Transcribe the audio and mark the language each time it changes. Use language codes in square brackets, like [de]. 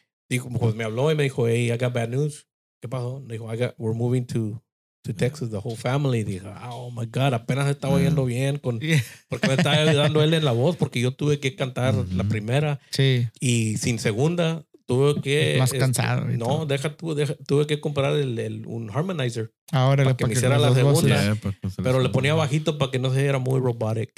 [es] Me habló y me dijo, hey, [en] I got bad news. [es] ¿Qué pasó? Dijo, [en] we're moving to Texas, the whole family. [es] Dijo, [en] oh my God, [es] apenas estaba yendo bien. Porque me estaba ayudando él en la voz, porque yo tuve que cantar la primera. Sí. Y sin segunda, tuve que... Más cansado. Tuve que comprar un harmonizer. Ahora para que me hiciera la segunda. Pero le ponía bajito para que no se viera muy robotic.